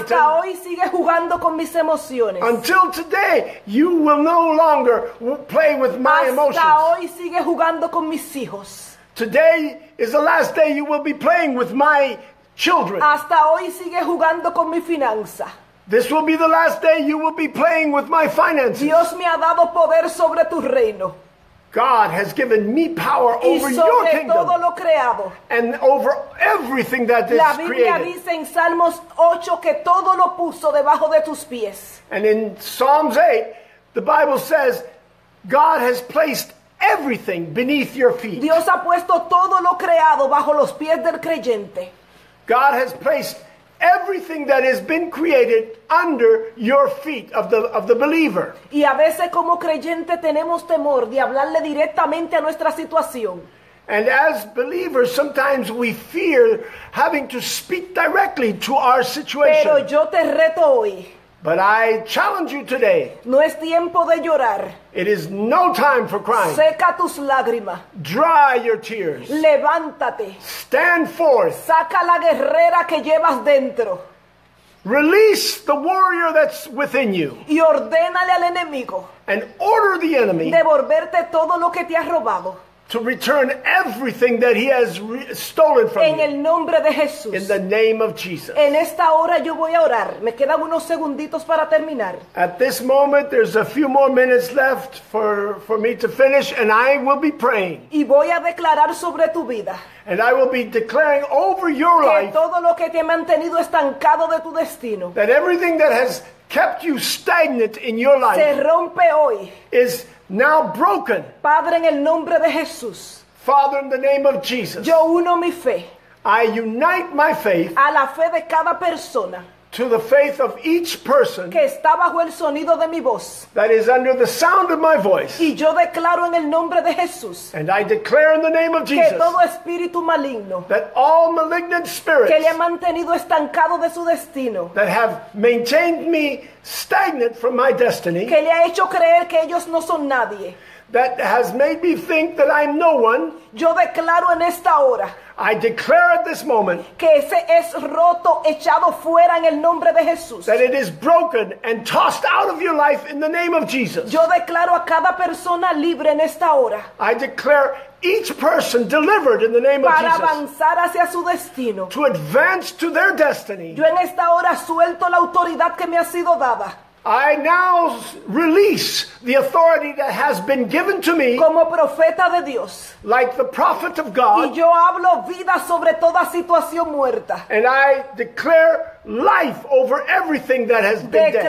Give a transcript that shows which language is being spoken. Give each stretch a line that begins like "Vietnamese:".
Spanish: Hasta hoy sigue jugando con mis emociones.
English: Until today, you will no longer play with my
Spanish: hasta
English: emotions.
Spanish: Hasta hoy sigue jugando con mis hijos.
English: Today is the last day you will be playing with my children.
Spanish: Hasta hoy sigue jugando con mi finanza.
English: This will be the last day you will be playing with my finances.
Spanish: Dios me ha dado poder sobre tu reino.
English: God has given me power over
Spanish: sobre
English: your kingdom.
Spanish: Todo lo creado.
English: And over everything that is
Spanish: la Biblia
English: created.
Spanish: Dice en Salmos 8 que todo lo puso debajo de tus pies.
English: And in Psalms 8, the Bible says, God has placed everything beneath your feet.
Spanish: Dios ha puesto todo lo creado bajo los pies del creyente.
English: God has placed everything that has been created under your feet of the believer.
Spanish: Y a veces como creyente tenemos temor de hablarle directamente a nuestra situación.
English: And as believers, sometimes we fear having to speak directly to our situation.
Spanish: Pero yo te reto hoy.
English: But I challenge you today.
Spanish: No es tiempo de llorar.
English: It is no time for crying.
Spanish: Seca tus lágrimas.
English: Dry your tears.
Spanish: Levántate.
English: Stand forth.
Spanish: Saca la guerrera que llevas dentro.
English: Release the warrior that's within you.
Spanish: Y ordénale al enemigo.
English: And order the enemy.
Spanish: Devolverte todo lo que te ha robado.
English: To return everything that he has stolen from you.
Spanish: En el nombre de Jesús.
English: In the name of Jesus.
Spanish: En esta hora yo voy a orar. Me quedan unos segunditos para terminar.
English: At this moment, there's a few more minutes left for me to finish, and I will be praying.
Spanish: Y voy a declarar sobre tu vida.
English: And I will be declaring over your life.
Spanish: Que todo lo que te ha mantenido estancado de tu destino.
English: That everything that has kept you stagnant in your life.
Spanish: Se rompe hoy.
English: Is now broken.
Spanish: Padre, en el nombre de Jesús.
English: Father, in the name of Jesus.
Spanish: Yo uno mi fe.
English: I unite my faith.
Spanish: A la fe de cada persona.
English: To the faith of each person
Spanish: que está bajo el sonido de mi voz,
English: that is under the sound of my voice,
Spanish: y yo declaro en el nombre de Jesús,
English: and I declare in the name of Jesus,
Spanish: que todo espíritu maligno,
English: that all malignant spirits
Spanish: que le han mantenido estancado de su destino,
English: that have maintained me stagnant from my destiny,
Spanish: que le ha hecho creer que ellos no son nadie,
English: that has made me think that I'm no one,
Spanish: yo declaro en esta hora,
English: I declare at this moment,
Spanish: que ese es roto, echado fuera en el nombre de Jesús,
English: that it is broken and tossed out of your life in the name of Jesus.
Spanish: Yo declaro a cada persona libre en esta hora.
English: I declare each person delivered in the name
Spanish: para
English: of Jesus.
Spanish: Para avanzar hacia su destino.
English: To advance to their destiny.
Spanish: Yo en esta hora suelto la autoridad que me ha sido dada.
English: I now release the authority that has been given to me,
Spanish: como profeta de Dios,
English: like the prophet of God,
Spanish: y yo hablo vida sobre toda situación muerta,
English: and I declare life over everything that has been dead.